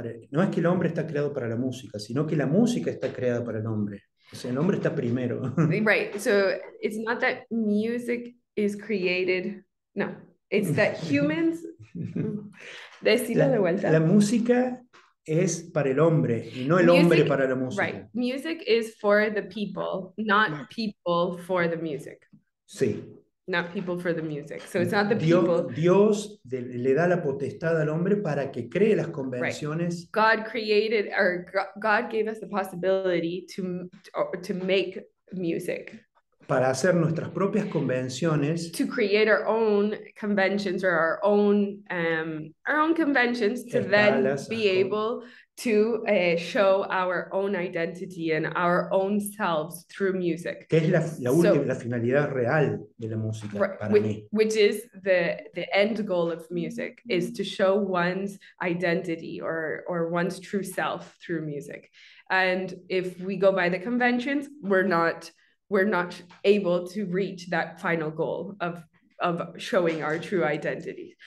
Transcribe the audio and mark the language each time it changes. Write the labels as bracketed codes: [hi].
[es] No es que el hombre está creado para la música, sino que la música está creada para el hombre. O sea, el hombre está primero. [en] Right. So it's not that music is created. No. It's that humans. [es] Decirlo de vuelta. La música es para el hombre y no el hombre para la música. [en] Right. Music is for the people, not people for the music. [es] Sí. [en] Not people for the music. So it's not the [es] Dios, [en] people. [es] Dios le da la potestad al hombre para que cree las convenciones. [en] Right. God created, or God gave us the possibility to make music. [es] Para hacer nuestras propias convenciones. [en] To create our own conventions or our own conventions to then be able to show our own identity and our own selves through music. [es] Que es la finalidad real de la música para [en] which, [es] mí. [en] Which is the end goal of music, is to show one's identity or one's true self through music. And if we go by the conventions, we're not able to reach that final goal of showing our true identity.